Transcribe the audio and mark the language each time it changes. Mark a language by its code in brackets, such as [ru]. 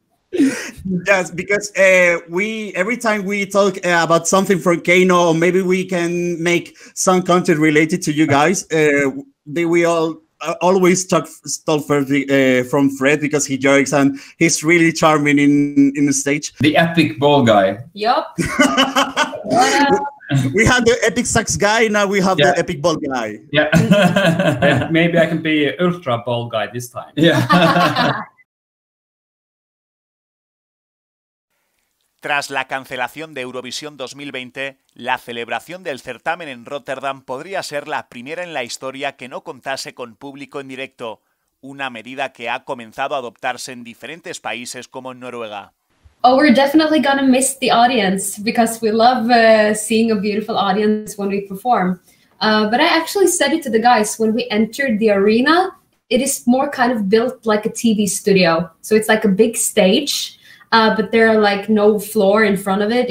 [en] Yes, because every time we talk about something from Keino, or maybe we can make some content related to you guys, we all always talk first from Fred, because he jokes and he's really charming in the stage. The epic ball guy. Yep. We had the epic sax guy, now we have the epic ball guy. Yeah. Maybe I can be ultra ball guy this time. Yeah. [es] Tras la cancelación de Eurovisión 2020, la celebración del certamen en Rotterdam podría ser la primera en la historia que no contase con público en directo, una medida que ha comenzado a adoptarse en diferentes países como en Noruega. [en] Oh, we're definitely gonna miss the audience because we love seeing a beautiful audience when we perform. But I actually said it to the guys when we entered the arena, it is more kind of built like a TV studio. So it's like a big stage. But there are like no floor in front of it.